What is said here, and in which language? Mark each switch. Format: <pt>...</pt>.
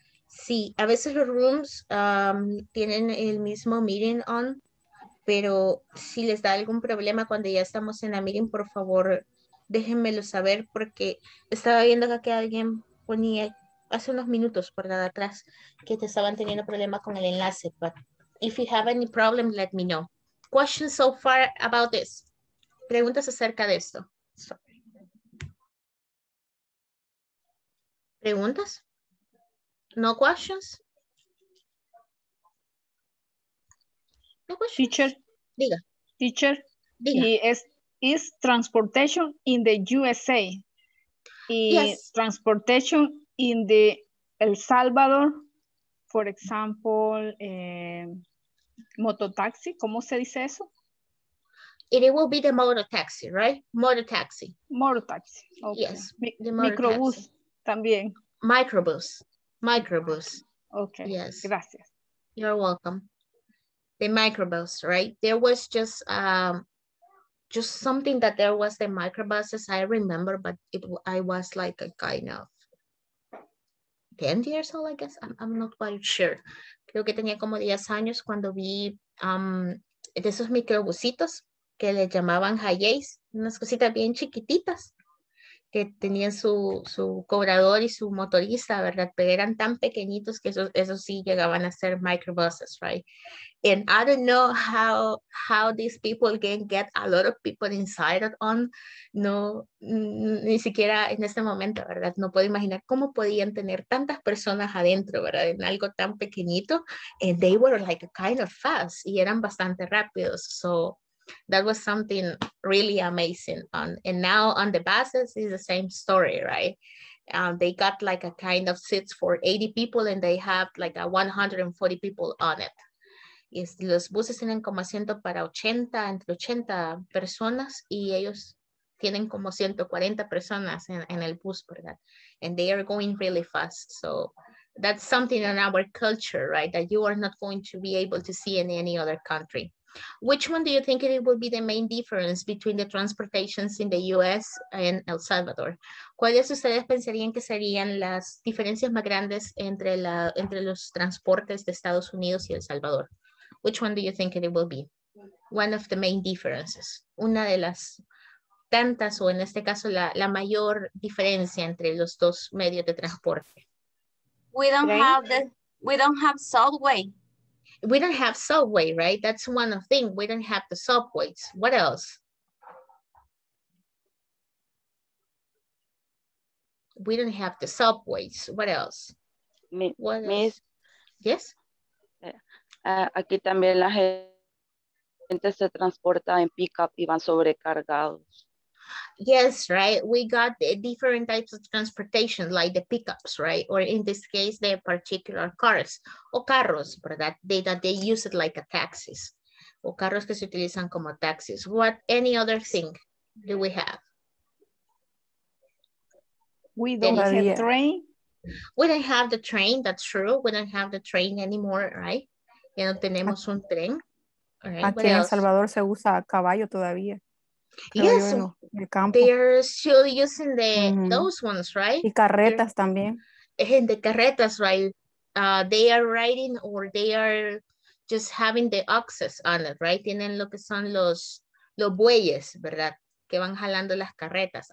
<es>Sí, a veces los rooms tienen el mismo meeting on, pero si les da algún problema cuando ya estamos en la meeting, por favor, déjenmelo saber, porque estaba viendo acá que alguien ponía hace unos minutos por nada atrás que te estaban teniendo problemas con el enlace.</es> <en>But if you have any problem, let me know. Questions so far about this.</en> <es>Preguntas acerca de esto.</es> <en>¿Preguntas? No questions? No questions? Teacher.</en> <es>Diga.</es> <en>Teacher.</en> <es>Diga.</es> <en>Is transportation in the USA? Yes. Transportation in the El Salvador, for example, mototaxi,</en> <es>¿cómo se dice eso?</es> <en>It will be the mototaxi, right? Mototaxi. Mototaxi, okay. Yes,</en> <es>microbus también. Microbus, microbus.</es> <en>Okay, yes.</en> <es>Gracias.</es> <en>You're welcome. The microbus, right? There was just something that there was the microbuses, I remember, but I was like a kind of 10 years old, I guess. I'm not quite sure.</en> <es>Creo que tenía como 10 años cuando vi de esos microbusitos que le llamaban hi-yays, unas cositas bien chiquititas que tenían su cobrador y su motorista, ¿verdad? Pero eran tan pequeñitos que eso sí llegaban a ser microbuses, right?</es> <en>And I don't know how these people can get a lot of people inside it on,</en> <es>no, ni siquiera en este momento, ¿verdad? No puedo imaginar cómo podían tener tantas personas adentro, ¿verdad? En algo tan pequeñito,</es> <en>and they were like kind of fast,</en> <es>y eran bastante rápidos,</es> <en>so that was something really amazing. And now on the buses is the same story, right? They got like a kind of seats for 80 people and they have like a 140 people on it.</en> <es>Y los buses tienen como asiento para 80, entre 80 personas, y ellos tienen como 140 personas en el bus, ¿verdad?</es> <en>And they are going really fast. So that's something in our culture, right? That you are not going to be able to see in any other country. Which one do you think it will be the main difference between the transportations in the US and El Salvador?</en> <es>¿Cuáles ustedes pensarían que serían las diferencias más grandes entre los transportes de Estados Unidos y El Salvador?</es> <en>Which one do you think it will be? One of the main differences.</en> <es>Una de las tantas, o en este caso la mayor diferencia entre los dos medios de transporte.</es> <en>We don't have subway. We don't have subway, right? That's one of the things. We don't have the subways. What else? We don't have the subways. What else? Yes?</en> <es>Aquí también la gente se transporta en pickup y van sobrecargados.</es> <en>Yes, right. We got different types of transportation, like the pickups, right? Or in this case, the particular cars.</en> <es>O carros, ¿verdad?</es> <en>They use it like a taxis.</en> <es>O carros que se utilizan como taxis.</es> <en>What any other thing do we have? We don't have the train. We don't have the train, that's true. We don't have the train anymore, right?</en> <es>Ya no tenemos un tren. Aquí en El Salvador se usa caballo todavía.</es> <en>Yes, they're still using the those ones, right?</en> <es>Y carretas también.</es> <en>And the carretas, right? They are riding, or they are just having the oxes on it, right?</en> <es>Tienen lo que son los bueyes, ¿verdad? Que van jalando las carretas.</es>